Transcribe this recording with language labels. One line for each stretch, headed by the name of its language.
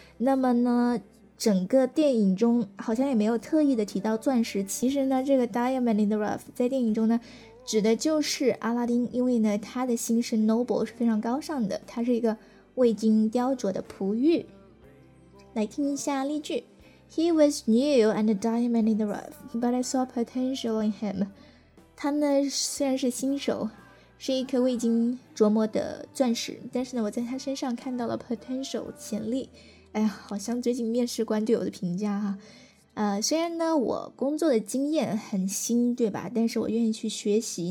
Chinese: 那么呢整个电影中好像也没有特意的提到钻石，其实呢这个 diamond in the rough 在电影中呢指的就是阿拉丁，因为呢他的心是 noble， 是非常高尚的，他是一个未经雕琢的璞玉。来听一下例句
English: ，He was new and a diamond in the rough, but I saw potential in him.
Chinese: 他呢虽然是新手，是一颗未经琢磨的钻石，但是呢我在他身上看到了 potential 潜力。哎呀，好像最近面试官对我的评价哈、虽然呢我工作的经验很新，对吧？但是我愿意去学习。